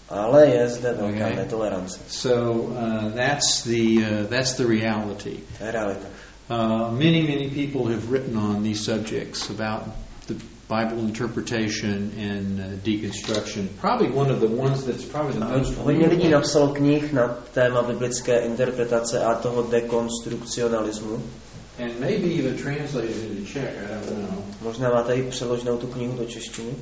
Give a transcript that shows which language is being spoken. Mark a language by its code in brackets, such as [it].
[cs] Ale je zde velká netolerance. [en] So that's the reality. [cs] Realita. [en] Many people have written on these subjects about the Bible interpretation and deconstruction. Probably one of the ones that's probably the most. [cs] Hodně lidí napsalo knih na téma biblické interpretace a toho dekonstrukcionalismu. [en] And maybe even translated into Czech. I don't know. [cs] Možná máte i přeloženou tu knihu do češtiny.